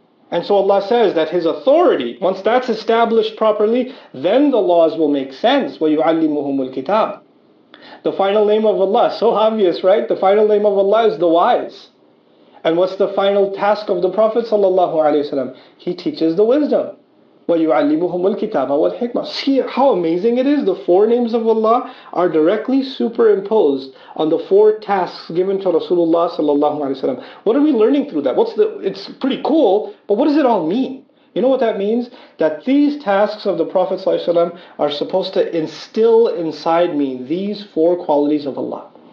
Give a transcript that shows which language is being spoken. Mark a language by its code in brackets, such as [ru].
[en] And so Allah says that His authority, once that's established properly, then the laws will make sense. [ar] وَيُعَلِّمُهُمُ الْكِتَابِ. [en] The final name of Allah, so obvious, right? The final name of Allah is the Wise. And what's the final task of the Prophet ﷺ? He teaches the wisdom. [ar] ويعلمهم الكتاب والحكمة. [en] See how amazing it is? The four names of Allah are directly superimposed on the four tasks given to Rasulullah sallallahu alayhi wa sallam. What are we learning through that? It's pretty cool, but what does it all mean? You know what that means? That these tasks of the Prophet sallallahu alayhi wa sallam are supposed to instill inside me these four qualities of Allah.